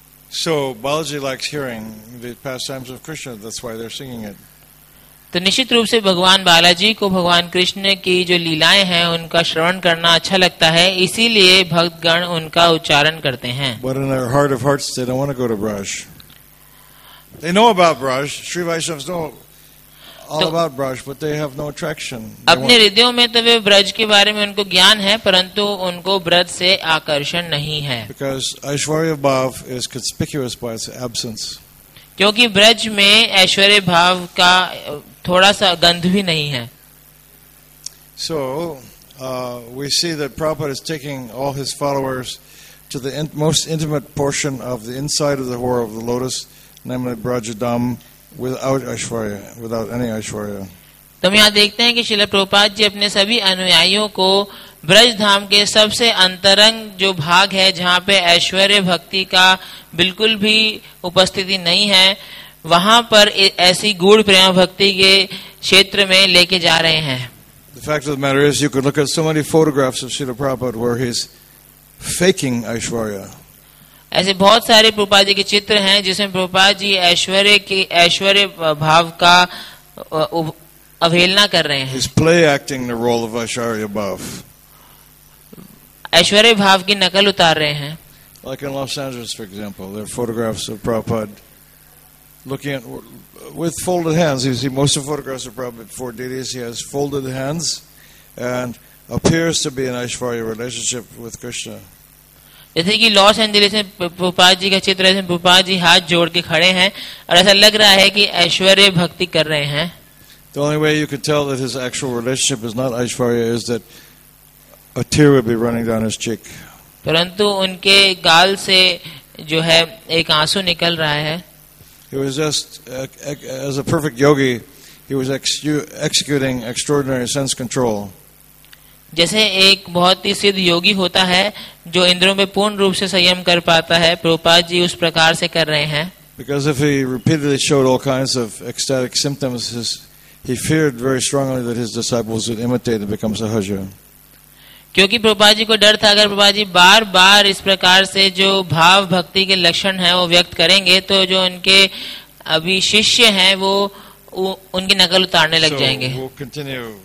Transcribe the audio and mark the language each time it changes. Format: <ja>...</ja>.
<en>So, Balaji likes hearing the pastimes of Krishna. That's why they're singing it.</en> <hi>तो निश्चित रूप से भगवान बालाजी को भगवान कृष्ण की जो लीलाएं हैं उनका श्रवण करना अच्छा लगता है इसीलिए भक्तगण उनका उच्चारण करते हैं.</hi> <en>But in their heart of hearts, they don't want to go to Braj. They know about Braj. Sri Vaishnavas know all about Braj, but they have no attraction.</en> <hi>अपने हृदयों में तो वे ब्रज के बारे में उनको ज्ञान है परंतु उनको ब्रज से आकर्षण नहीं है.</hi> <en>Because Aishwarya Bhav is conspicuous by its absence.</en> <hi>क्योंकि ब्रज में ऐश्वर्य भाव का थोड़ा सा गंध भी नहीं है.</hi> <en>So, we see that Prabhupada is taking all his followers to the most intimate portion of the inside of the whore of the lotus. Namely, Brajadam without Aishwarya, without any Aishwarya.</en> <hi>तो हम यहाँ देखते हैं कि श्रील प्रभुपाद जी अपने सभी अनुयायियों को ब्रज धाम के सबसे अंतरंग जो भाग है जहाँ पे ऐश्वर्य भक्ति का बिल्कुल भी उपस्थिति नहीं है वहाँ पर ऐसी गूढ़ प्रेम भक्ति के क्षेत्र में लेके जा रहे हैं.</hi> <en>The fact of the matter is, you could look at so many photographs of Srila Prabhupada where he's faking Aishwarya.</en> <hi>ऐसे बहुत सारे प्रभुपाद जी के चित्र हैं जिसमें प्रभुपाद जी ऐश्वर्य की ऐश्वर्य भाव का अवहेलना कर रहे हैं.</hi> <en>He's play acting the role of Aishwarya Bhav.</en> <hi>ऐश्वर्य भाव की नकल उतार रहे हैं.</hi> <en>Like in Los Angeles, for example, there are photographs of Prabhupada looking at with folded hands. You see, most of the photographs of Prabhupada for deities, he has folded hands and appears to be in Aishwarya relationship with Krishna.</en> <hi>जैसे कि Los Angeles में भूपाल जी का चित्र है भूपाल जी हाथ जोड़ के खड़े हैं और ऐसा लग रहा है कि ऐश्वर्य भक्ति कर रहे हैं.</hi> <en>The only way you could tell that his actual relationship is not Aishwarya is that a tear would be running down his cheek.</en> <hi>परंतु उनके गाल से जो है एक आंसू निकल रहा है.</hi> <en>He was just as a perfect yogi, he was executing extraordinary sense control.</en> <hi>जैसे एक बहुत ही सिद्ध योगी होता है जो इंद्रियों में पूर्ण रूप से संयम कर पाता है प्रभुपाद जी उस प्रकार से कर रहे हैं.</hi> <en>Because if he repeatedly showed all kinds of ecstatic symptoms, he feared very strongly that his disciples would imitate and become sahaja.</en> <hi>क्योंकि प्रभुपाद जी को डर था अगर प्रभुपाद जी बार बार इस प्रकार से जो भाव भक्ति के लक्षण हैं वो व्यक्त करेंगे तो जो उनके अभी शिष्य हैं वो उनकी नकल उतारने लग जाएंगे.</hi>